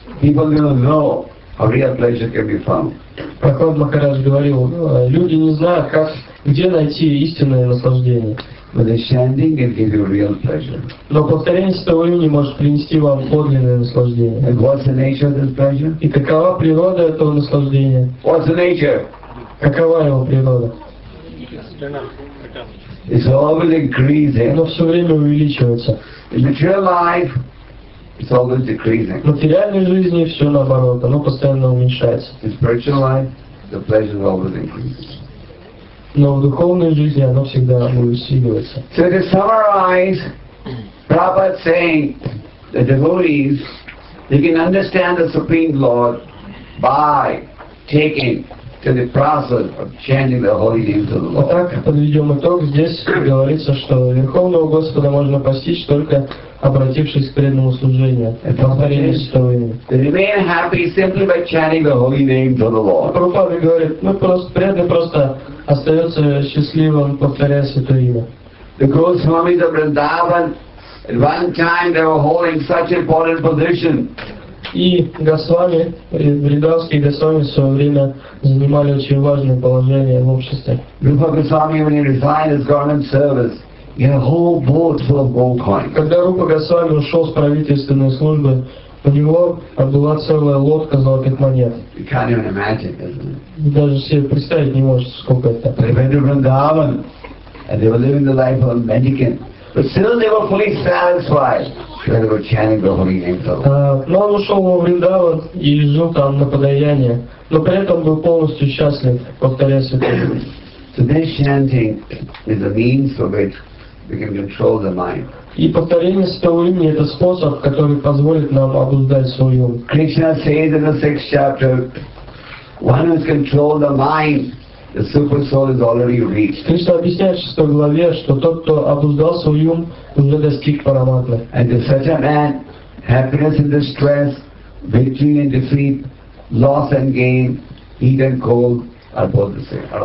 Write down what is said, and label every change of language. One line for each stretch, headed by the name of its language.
English: People don't know how real pleasure can be found.
Russian: Прахлад Махарадж говорил, люди не знают, как, где найти истинное наслаждение.
English: But the chanting can give you real pleasure.
Russian: Но повторение святого имени может принести вам подлинное наслаждение.
English: And what's the nature of this pleasure?
Russian: И какова природа этого наслаждения?
English: What's the nature?
Russian: Какова его природа?
English: It's always increasing.
Russian: Но все время увеличивается.
English: In material life, It's always decreasing.
Russian: Но в реальной жизни все наоборот, оно постоянно уменьшается.
English: In spiritual life, the pleasure always increases.
Russian: Но в духовной жизни оно всегда усиливается.
English: So to summarize, Prabhupada saying, the devotees, you can understand the Supreme Lord by taking to the process of chanting the holy names of the Lord.
Russian: Итак, подведем итог. Здесь говорится, что Верховного Господа можно постичь только обратившись к преданному служению, к повторению стоя.
English: They remain happy simply by chanting the holy names of the Lord.
Russian: Прабхупада говорит, ну просто преданный просто остается счастливым, повторяя святое имя.
English: The Goswamis of Vrindavan, at one time they were holding such important position.
Russian: И Госвами, Вриндавские Госвами в свое время занимали очень важное положение в обществе.
English: Rupa Goswami, when he resigned his government service, he had a whole boat full of gold coins.
Russian: Когда Рупа Госвами ушел с правительственной службы, у него была целая лодка золотых монет.
English: You can't even imagine, isn't it?
Russian: Даже себе представить не можешь, сколько это.
English: They went to Vrindavan, and they were living the life of a mendicant. But still they were fully satisfied.
Russian: Но он ушел во Вриндаван и жил там на подаяние, но при этом был полностью счастлив, повторяя святое.
English: So this chanting is a means of which we can control the mind.
Russian: И повторение святого имени — это способ, который позволит нам обуздать свой ум.
English: Krishna says in the sixth chapter, one who has controlled the mind, the super soul is already reached.
Russian: Кришна объясняет в 6 главе, что тот, кто обуздал свой ум, уже достиг параматмы.
English: And to such a man, happiness and distress, victory and defeat, loss and gain, heat and cold are both the same.